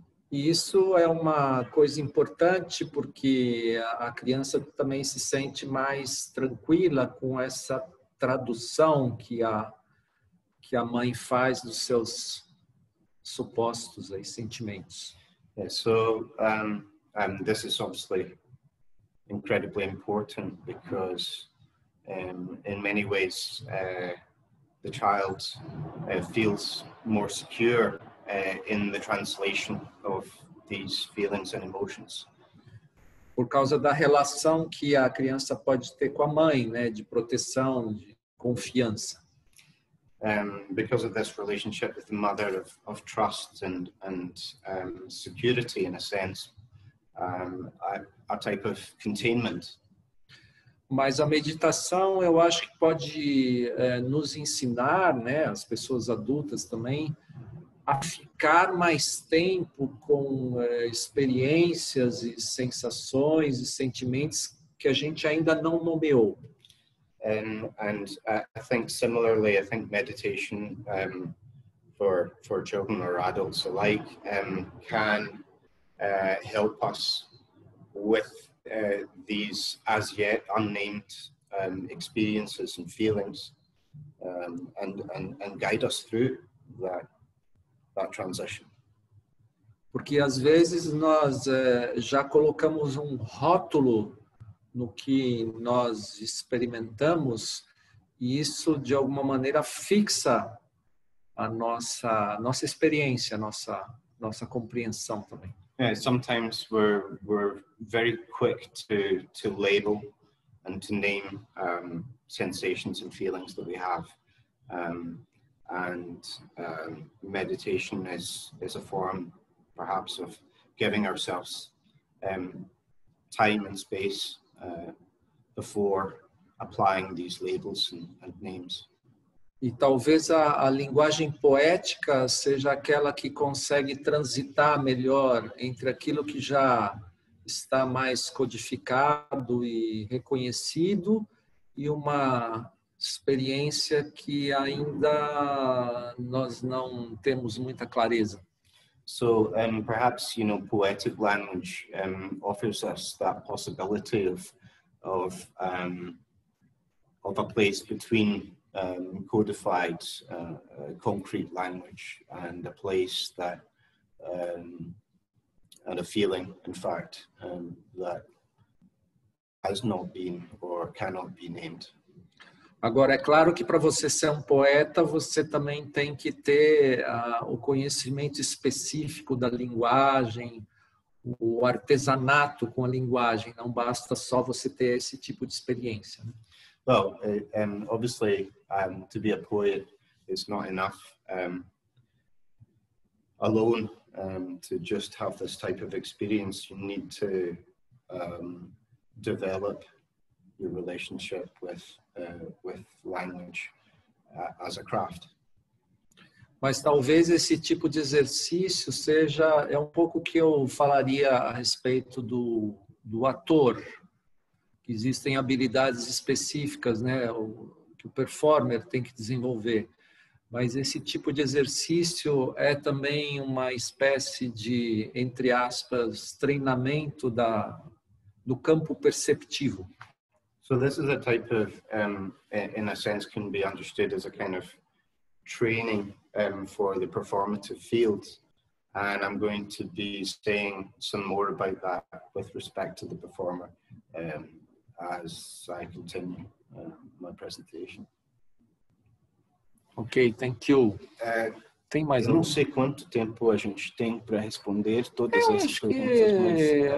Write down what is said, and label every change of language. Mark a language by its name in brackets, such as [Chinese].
[Portuguese] E isso é uma coisa importante porque a criança também se sente mais tranquila com essa tradução que a mãe faz dos seus supostos aí, sentimentos. [English] Yeah, so, and this is obviously incredibly important because in many ways the child feels more secure in the translation of these feelings and emotions. [Portuguese] Por causa da relação que a criança pode ter com a mãe, né, de proteção, de confiança. [English] Because of this relationship with the mother of trust and security, in a sense, a type of containment. [Portuguese] Mas a meditação, eu acho que pode nos ensinar, né, as pessoas adultas também, a ficar mais tempo com experiências e sensações e sentimentos que a gente ainda não nomeou. [English] And I think similarly, I think meditation for children or adults alike can help us with these as yet unnamed experiences and feelings and guide us through that transition. [Portuguese] Porque às vezes nós já colocamos um rótulo no que nós experimentamos, e isso de alguma maneira fixa a nossa experiência, nossa compreensão também. [English] Yeah, sometimes we're very quick to label and to name sensations and feelings that we have, and meditation is a form perhaps of giving ourselves time and space before applying these labels and names. [Portuguese] E talvez a linguagem poética seja aquela que consegue transitar melhor entre aquilo que já está mais codificado e reconhecido e uma experiência que ainda nós não temos muita clareza. [English] So, perhaps, you know, poetic language offers us that possibility of a place between codified concrete language and a place that and a feeling, in fact, that has not been or cannot be named. [Portuguese] Agora, é claro que para você ser um poeta, você também tem que ter o conhecimento específico da linguagem, o artesanato com a linguagem. Não basta só você ter esse tipo de experiência. [English] Well, obviously, to be a poet, it's not enough alone to just have this type of experience. You need to develop your relationship with language as a craft. [Portuguese] Mas talvez esse tipo de exercício seja um pouco que eu falaria a respeito do ator. Existem habilidades específicas, né, que o performer tem que desenvolver. Mas esse tipo de exercício é também uma espécie de, entre aspas, treinamento do campo perceptivo. [English] So this is a type of, in a sense, can be understood as a kind of training for the performative field. And I'm going to be saying some more about that with respect to the performer as I continue my presentation. Ok, thank you. [Portuguese] Tem mais um? Não sei quanto tempo a gente tem para responder todas essas perguntas.